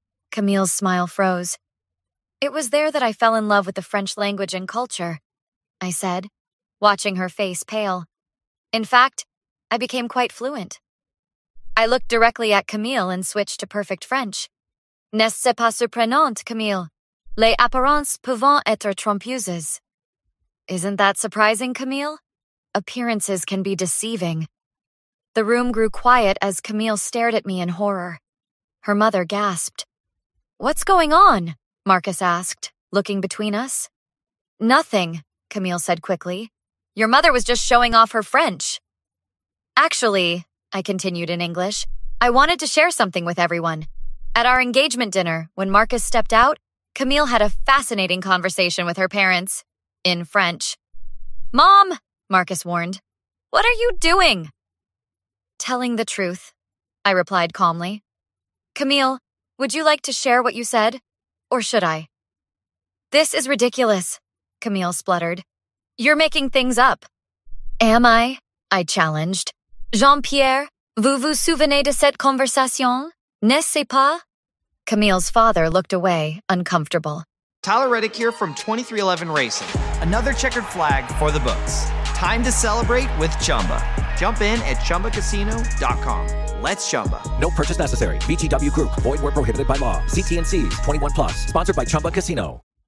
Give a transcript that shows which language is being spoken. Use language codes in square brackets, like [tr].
[en] Camille's smile froze. It was there that I fell in love with the French language and culture, I said, watching her face pale. In fact, I became quite fluent. I looked directly at Camille and switched to perfect French. [fr] N'est-ce pas surprenant, Camille? Les apparences peuvent être trompeuses. [en] Isn't that surprising, Camille? Appearances can be deceiving. The room grew quiet as Camille stared at me in horror. Her mother gasped. What's going on? Marcus asked, looking between us. Nothing, Camille said quickly. Your mother was just showing off her French. Actually, I continued in English, I wanted to share something with everyone. At our engagement dinner, when Marcus stepped out, Camille had a fascinating conversation with her parents, in French. Mom, Marcus warned, what are you doing? Telling the truth, I replied calmly. Camille, would you like to share what you said? Or should I? This is ridiculous, Camille spluttered. You're making things up. Am I? I challenged. [fr] Jean-Pierre, vous vous souvenez de cette conversation, n'est-ce pas? [en] Camille's father looked away, uncomfortable. Tyler Reddick here from 2311 Racing. Another checkered flag for the books. Time to celebrate with Chumba. Jump in at ChumbaCasino.com. Let's Chumba. No purchase necessary. VGW Group. Void where prohibited by law. CTNCs 21 plus. Sponsored by Chumba Casino.